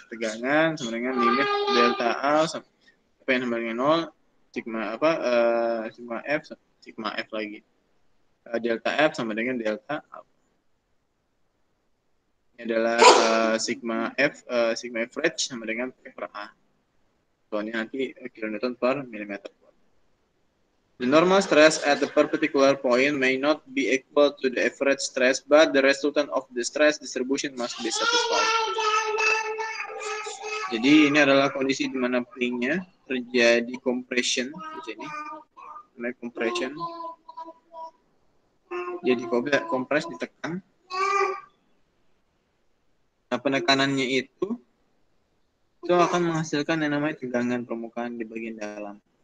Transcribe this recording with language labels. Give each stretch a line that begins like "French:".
Indonesian: Tegangan sama dengan limit delta A sama dengan sama dengan 0 sigma apa sigma F sigma F lagi. Delta F sama dengan delta A. Ini adalah sigma F average sama dengan P per A. Soalnya nanti kilonewton per milimeter.
English: The normal stress at a particular point may not be equal to the average stress, but the resultant of the stress distribution must be satisfied.
Indonesian: Jadi ini adalah kondisi di mana pinknya terjadi compression di sini, namanya compression. Jadi kompres ditekan. Nah, penekanannya itu akan menghasilkan yang namanya tegangan permukaan di bagian dalam.